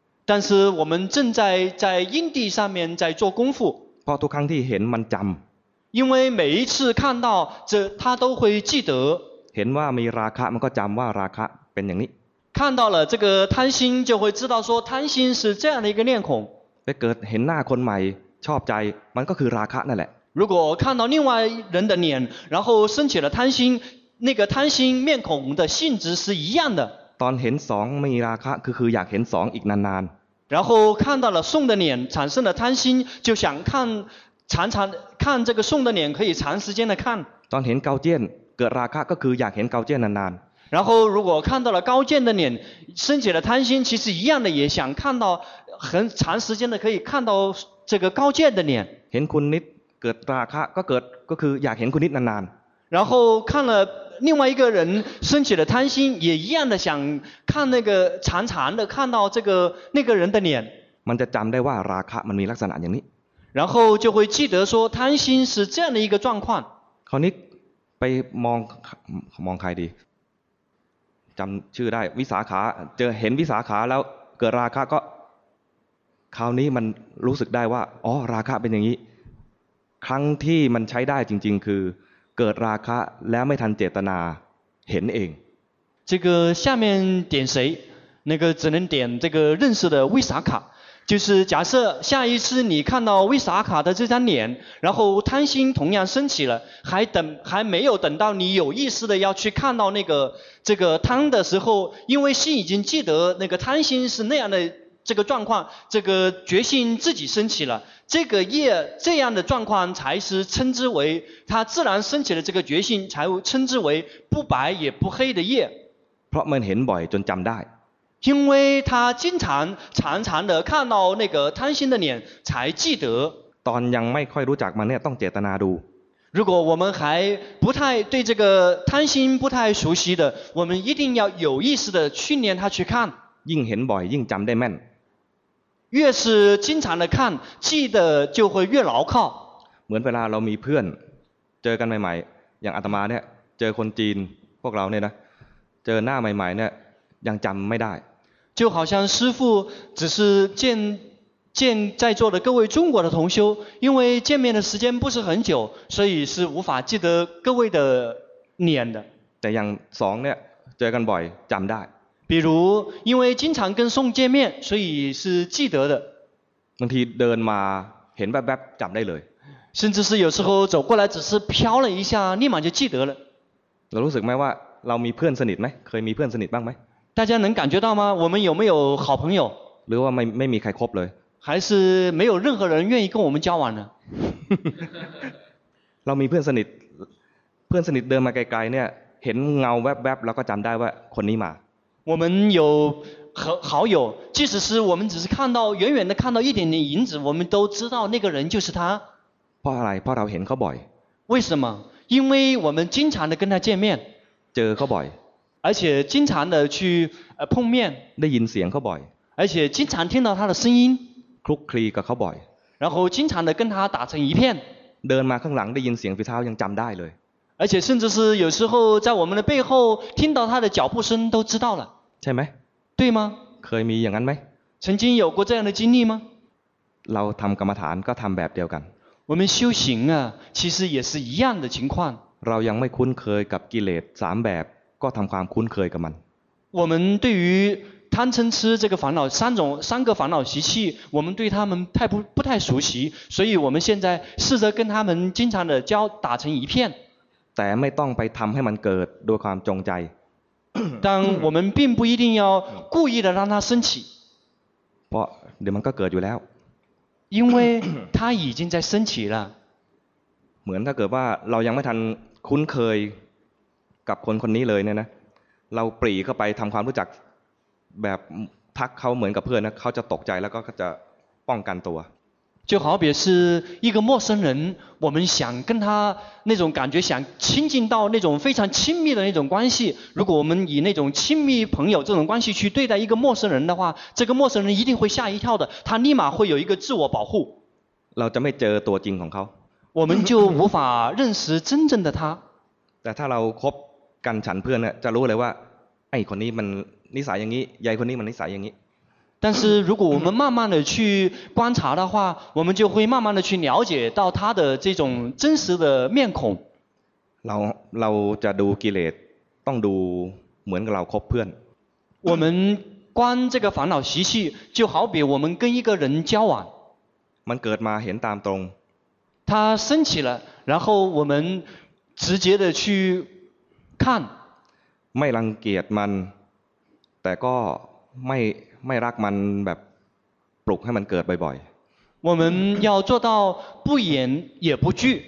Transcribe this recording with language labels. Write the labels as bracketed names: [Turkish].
[Chinese] 但是我们正在因地上面在做功夫 [Thai] เพราะทุกครั้งที่เห็นมันจำ [Chinese] 因为每一次看到这他都会记得 [Thai] เห็นว่ามีราคะมันก็จำว่าราคะเป็นอย่างนี้ [Chinese] 看到了这个贪心就会知道说贪心是这样的一个念孔 [Thai] ไปเกิดเห็นหน้าคนใหม่ชอบใจมันก็คือราคะนั่นแหละ [Chinese] 如果看到另外人的脸然后升起了贪心那个贪心面孔的性质是一样的 [Thai] ตอนเห็นสองมีราคะคืออยากเห็นสองอีกนาน [Chinese] ๆ然后看到了送的脸产生了贪心就想看常常看这个送的脸可以长时间的看 [Thai] ตอนเห็นเกาเจียนเกิดราคะก็คืออยากเห็นเกาเจียนนาน [Chinese] ๆ然后如果看到了高见的脸升起了贪心其实一样的也想看到很长时间的可以看到这个高见的脸 [Thai] เห็นคุณนิดเกิดราคะก็คืออยากเห็นคุณนิดนาน [Chinese] ๆ然后看了另外一个人升起了贪心也一样的想看那个长长的看到这个那个人的脸 [Thai] มันจะจำได้ว่าราคะมันมีลักษณะอย่างนี้ [Chinese] 然后就会记得说贪心是这样的一个状况 [Thai] คราวนี้ไปมองใครดีจำชื่อได้วิสาขาเจอเห็นวิสาขาแล้วเกิดราคะก็คราวนี้มันรู้สึกได้ว่าอ๋อราคะเป็นอย่างนี้ครั้งที่มันใช้ได้จริงๆคือเกิดราคะแล้วไม่ทันเจตนาเห็นเอง [Chinese] 这个下面点谁那个只能点这个认识的维萨卡就是假设下一次你看到维萨卡的这张脸然后贪心同样升起了还没有等到你有意识的要去看到那个这个贪的时候因为心已经记得那个贪心是那样的这个状况这个决心自己升起了这个业这样的状况才是称之为它自然升起了这个决心才称之为不白也不黑的业 [Thai] เพราะมันเห็นบ่อยจนจำได้ [Chinese] 因为他经常常常的看到那个贪心的脸才记得 [Thai] ตอนยังไม่ค่อยรู้จักมันเนี่ยต้องเจตนาดู [Chinese] 如果我们还不太对这个贪心不太熟悉的我们一定要有意识的训练他去看 [Thai] ยิ่งเห็นบ่อยยิ่งจำได้แม่น [Chinese] 越是经常的看记得就会越牢靠 [Thai] เหมือนเวลาเรามีเพื่อนเจอกันใหม่ๆอย่างอาตมาเนี่ยเจอคนจีนพวกเราเนี่ยนะเจอหน้าใหม่ๆเนี่ยยังจำไม่ได้ [Chinese] 就好像师父只是见在座的各位中国的同修因为见面的时间不是很久所以是无法记得各位的脸的 [Thai] แต่อย่างสองเนี่ยเจอกันบ่อยจำได้ [Chinese] 比如因为经常跟宋见面所以是记得的 [Thai] บางทีเดินมาเห็นแวบๆจำได้เลย [Chinese] 甚至是有时候走过来只是飘了一下立马就记得了 [Thai] เรารู้สึกไหมว่าเรามีเพื่อนสนิทไหมเคยมีเพื่อนสนิทบ้างไหม [Chinese] 大家能感觉到吗我们有没有好朋友 [Thai] หรือว่าไม่มีใครครบเลย [Chinese] 还是没有任何人愿意跟我们交往呢 [Thai] เรามีเพื่อนสนิทเพื่อนสนิทเดินมาไกลๆเนี่ยเห็นเงาแวบๆแล้วก็จำได้ว่าคนนี้มา [Chinese] 我们有好友即使是我们只是看到远远的看到一点点影子我们都知道那个人就是他 [Thai] เพราะอะไรเพราะเราเห็นเขาบ่อย [Chinese] 为什么因为我们经常的跟他见面 [Thai] เจอเขาบ่อย [Chinese] 而且经常的去碰面 [Thai] ได้ยินเสียงเขาบ่อย [Chinese] 而且经常听到他的声音 [Thai] คลุกคลีกับเขาบ่อย [Chinese] 然后经常的跟他打成一片 [Thai] เดินมาข้างหลังได้ยินเสียงฝีเท้ายังจำได้เลย [Chinese] 而且甚至是有时候在我们的背后听到他的脚步声都知道了 [Thai] ใช่ไหม ใช่吗 เคยมีอย่างนั้นไหม [Chinese] 曾经有过这样的经历吗 [Thai] เราทำกรรมฐานก็ทำแบบเดียวกัน [Chinese] 我们修行啊其实也是一样的情况 [Thai] เรายังไม่คุ้นเคยกับกิเลส3แบบก็ทำความคุ้นเคยกับมัน [Chinese] 我们对于贪嗔痴这个烦恼三个烦恼习气我们对他们不太熟悉所以我们现在试着跟他们经常的交打成一片 [Thai] แต่ไม่ต้องไปทำให้มันเกิดด้วยความจงใจ [Chinese] 但我们并不一定要故意的让它升起 [Thai] เพราะเดี๋ยวมันก็เกิดอยู่แล้ว [Chinese] 因为它已经在升起了 [Thai] เหมือนถ้าเกิดว่าเรายังไม่ทันคุ้นเคยกับคนคนนี้เลยเนี่ยนะเราปรีเข้าไปทำความรู้จักแบบทักเขาเหมือนกับเพื่อนนะเขาจะตกใจแล้วก็จะป้องกันตัว [Chinese] 就好比是一个陌生人我们想跟他那种感觉想亲近到那种非常亲密的那种关系如果我们以那种亲密朋友这种关系去对待一个陌生人的话这个陌生人一定会吓一跳的他立马会有一个自我保护 [Thai] เราจะไม่เจอตัวจริงของเขา [Chinese] 我们就无法认识真正的他 [Thai] แต่ถ้าเราคบกันฉันเพื่อนเนี่ยจะรู้เลยว่าไอ้คนนี้มันนิสัยอย่างนี้ยายคนนี้มันนิสัยอย่างนี้ [Chinese] 但是如果我们慢慢的去观察的话我们就会慢慢的去了解到他的这种真实的面孔 [Thai] เราจะดูกิเลสต้องดูเหมือนกับเราคบเพื่อน [Chinese] 我们观这个烦恼习气就好比我们跟一个人交往 [Thai] มันเกิดมาเห็นตามตรง [Chinese] 他升起了然后我们直接的去看 [Thai] ไม่รังเกียจมันแต่ก็ไม่รักมันแบบปลุกให้มันเกิดบ่อย [Chinese] ๆ我们要做到不掩也不惧